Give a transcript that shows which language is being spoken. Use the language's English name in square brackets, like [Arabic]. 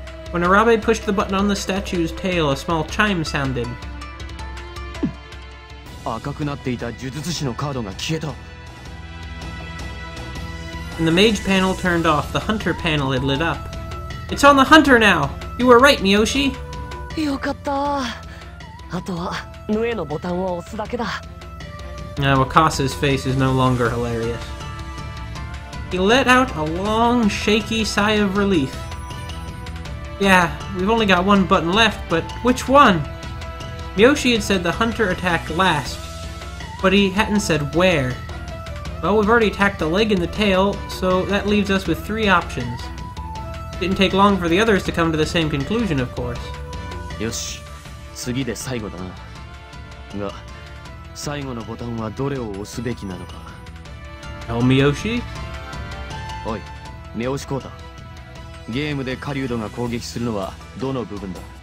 [English] When Arabe pushed the button on the statue's tail, a small chime sounded. [Japanese] 赤くなっていた呪術師のカードが消えた。 [English] And the mage panel turned off, the hunter panel had lit up. It's on the hunter now! You were right, Miyoshi! [Japanese] よかった。あとは、ヌエのボタンを押すだけだ。 [English] Now, Akasa's face is no longer hilarious. He let out a long, shaky sigh of relief. Yeah, we've only got one button left, but which one? Miyoshi had said the hunter attacked last, but he hadn't said where. Well, we've already attacked the leg and the tail, so that leaves us with three options. Didn't take long for the others to come to the same conclusion, of course. [Japanese] よし、次で最後だな。が、最後のボタンはどれを押すべきなのか。 [English] Oh, Miyoshi? [Japanese] おい、三好コータ。ゲームで狩人が攻撃するのはどの部分だ。